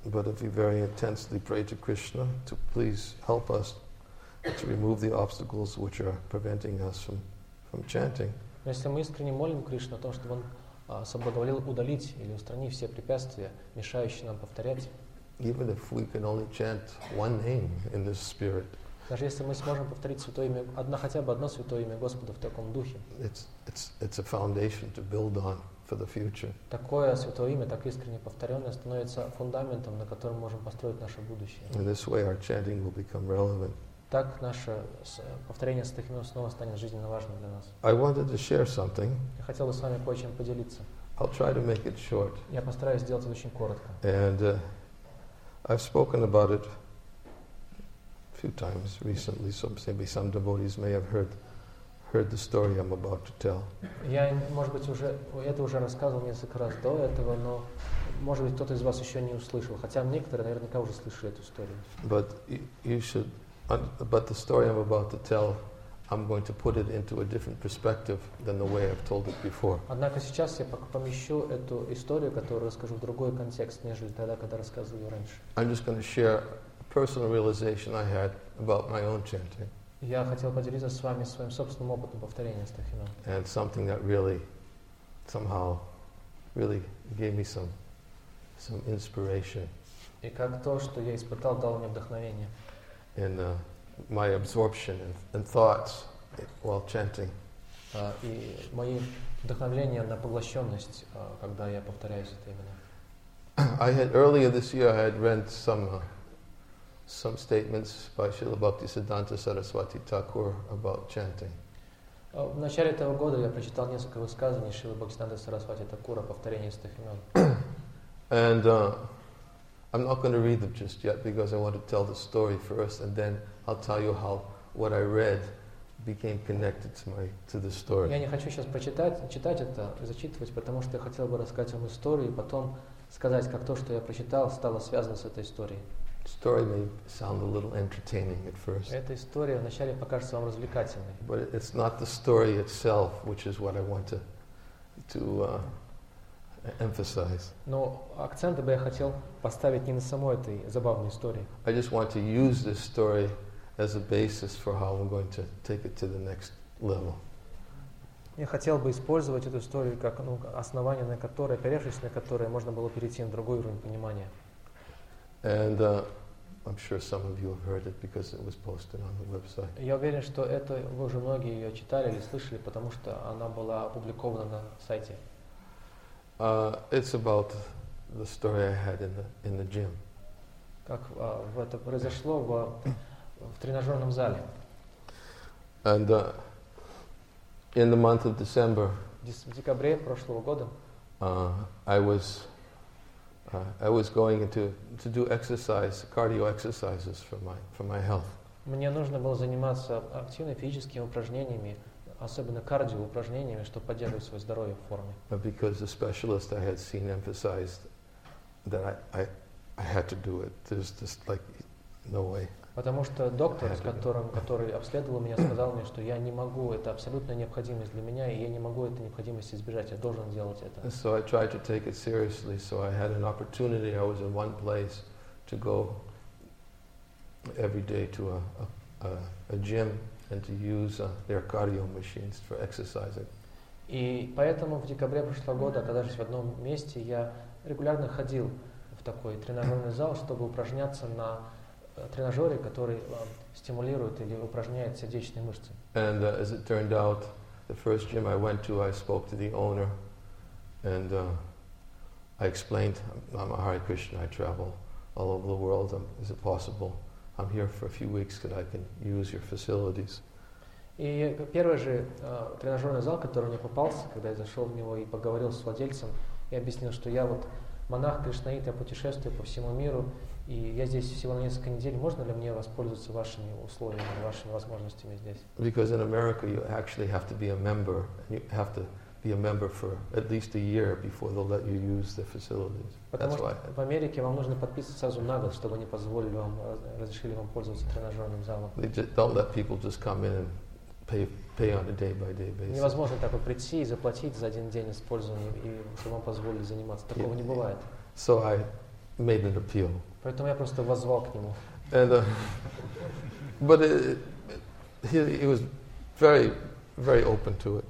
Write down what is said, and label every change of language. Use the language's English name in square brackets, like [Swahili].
[English] But if we very intensely pray to Krishna to please help us to remove the obstacles which are preventing us from chanting. [Russian] Если мы искренне молим Кришну о том, чтобы он соблаговолил удалить или устранить все препятствия, мешающие нам повторять. [English] Even if we can only chant one name in this spirit. [Russian] Даже если мы сможем повторить святое имя, хотя бы одно святое имя Господа в таком духе. [English] It's a foundation to build on for the future. [Russian] Такое святое имя, так искренне повторенное, становится фундаментом, на котором мы можем построить наше будущее. [English] In this way our chanting will become relevant. [Russian] Так наше повторение святых имен снова станет жизненно важным для нас. [English] I wanted to share something. [Russian] Я хотел бы с вами кое-чем поделиться. [English] I'll try to make it short. [Russian] Я постараюсь сделать это очень коротко. [English] And I've spoken about it a few times recently, so maybe some devotees may have heard the story I'm about to tell. [Russian] Я, может быть, уже рассказывал несколько раз до этого, но может быть кто-то из вас еще не услышал, хотя некоторые наверняка уже слышали эту историю. [English] But you should. But the story I'm about to tell, I'm going to put it into a different perspective than the way I've told it before. [Russian] Однако сейчас я помещу эту историю, которую расскажу, в другой контекст, нежели тогда, когда рассказывал ее раньше. [English] I'm just going to share a personal realization I had about my own chanting. [Russian] Я хотел поделиться с вами своим собственным опытом повторения стих имен. [English] And something that really, somehow, really gave me some inspiration. [Russian] И как то, что я испытал, дало мне вдохновение. [English] In my absorption and thoughts while chanting. [Russian] И мои вдохновления на поглощенность, когда я повторяю это имя. [English] I had earlier this year I had read some statements by Śrīla Bhaktisiddhānta Saraswati Thakur about chanting. [Russian] В начале этого года я прочитал несколько высказываний Śrīla Bhaktisiddhānta Saraswati Thakur о повторении этих имен. [English] And I'm not going to read them just yet because I want to tell the story first, and then I'll tell you how what I read became connected to the story. [Russian] Я не хочу сейчас читать это, зачитывать, потому что я хотел бы рассказать вам историю и потом сказать, как то, что я прочитал, стало связано с этой историей. [English] Story may sound a little entertaining at first. [Russian] Эта история вначале покажется вам развлекательной. [English] But it's not the story itself, which is what I want to emphasize. [Russian] Но акценты бы я хотел поставить не на самой этой забавной истории. [English] I just want to use this story as a basis for how we're going to take it to the next level. [Russian] Я хотел бы использовать эту историю как основание, на которое, поверхность, на которое можно было перейти на другой уровень понимания. [English] And I'm sure some of you have heard it because it was posted on the website. [Russian] Я уверен, что это вы уже многие ее читали или слышали, потому что она была опубликована на сайте. [English] It's about the story I had in the gym. [Russian] Как это произошло в тренажерном зале. [English] And in the month of December. [Russian] В декабре прошлого года. [English] I was going to do exercise, cardio exercises for my health. [Russian] Мне нужно было заниматься активными физическими упражнениями, особенно кардио упражнениями, чтобы поддерживать свое здоровье в форме. [English] But because the specialist I had seen emphasized that I had to do it. There's just like no way. [Russian] Потому что доктор, который обследовал меня, сказал мне, что я не могу, это абсолютная необходимость для меня, и я не могу этой необходимости избежать, я должен делать это. [English] So I tried to take it seriously, so I had an opportunity, I was in one place, to go every day to a gym and to use their cardio machines for exercising. [Russian] И поэтому в декабре прошлого года, оказавшись в одном месте, я регулярно ходил в такой тренажерный зал, чтобы упражняться на тренажеры, которые стимулируют или упражняют сердечные мышцы. [English] And as it turned out, the first gym I went to, I spoke to the owner, and I explained, I'm a Hare Krishna, I travel all over the world. Is it possible? I'm here for a few weeks, could I can use your facilities? [Russian] И первый же тренажерный зал, который мне попался, когда я зашел в него и поговорил с владельцем, я объяснил, что я вот монах кришнаит, я путешествую по всему миру. И я здесь всего на несколько недель. Можно ли мне воспользоваться вашими условиями, вашими возможностями здесь? [English] Because in America you actually have to be a member. And you have to be a member for at least a year before they'll let you use the facilities. [Russian] Потому что в Америке вам нужно подписываться сразу на год, чтобы они позволили вам, разрешили вам пользоваться тренажерным залом. [English] They don't let people just come in and pay on a day-by-day basis. [Russian] Невозможно так вот прийти и заплатить за один день использования, и чтобы вам позволили заниматься. Такого не бывает. [English] So I made an appeal. [Russian] Поэтому я просто воззвал к нему. [English] And, but he was very, very open to it.